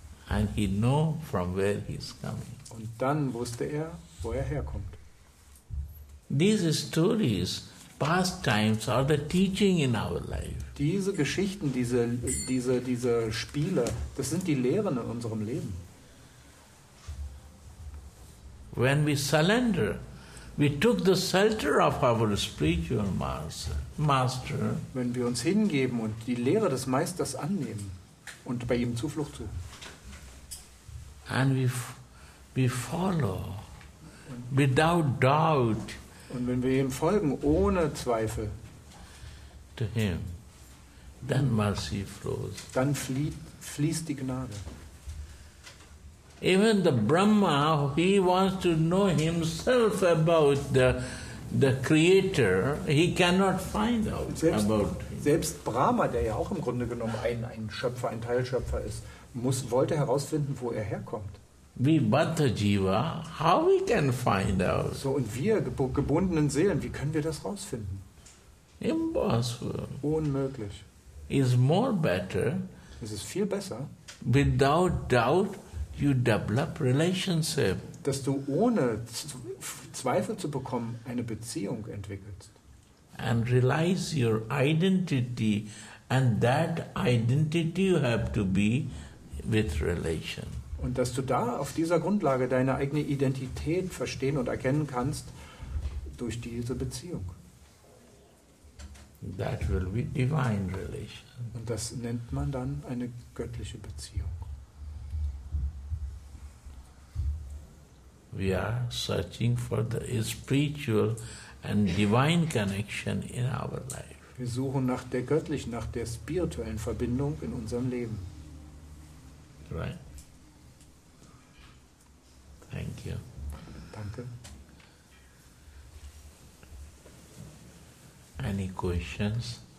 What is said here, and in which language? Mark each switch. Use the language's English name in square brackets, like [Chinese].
[English] And he know from where he is coming. [German] Und dann wusste er, wo er herkommt. [English] These stories, past times, are the teaching in our life. [German] Diese Geschichten, diese Spiele, das sind die Lehren in unserem Leben. [English] When we surrender, we took the shelter of our spiritual master. [German] Wenn wir uns hingeben und die Lehre des Meisters annehmen und bei ihm Zuflucht suchen. [English] And we follow without doubt. [German] Und wenn wir ihm folgen ohne Zweifel, [English] to him, then mercy flows. [German] Dann fließt die Gnade. [English] Even the Brahma, he wants to know himself about the Creator. He cannot find out about him. [German] Selbst Brahma, der ja auch im Grunde genommen ein Schöpfer, ein Teilschöpfer ist. Wollte herausfinden, wo er herkommt. [English] We Bhatta Jiva, how we can find out? [German] So, und wir gebundenen Seelen, wie können wir das herausfinden? [English] Impossible. [German] Unmöglich. [English] Is more better. [German] Es ist viel besser. [English] Without doubt, you develop relationship. [German] Dass du ohne Zweifel zu bekommen eine Beziehung entwickelst. [English] And realize your identity, and that identity you have to be. With relation. [German] Und dass du da auf dieser Grundlage deine eigene Identität verstehen und erkennen kannst durch diese Beziehung. [English] That will be divine relation. [German] Und das nennt man dann eine göttliche Beziehung. [English] We are searching for the spiritual and divine connection in our life. [German] Wir suchen nach der göttlichen, nach der spirituellen Verbindung in unserem Leben. [English] Right. Thank you. [German] Danke. [English] Any questions?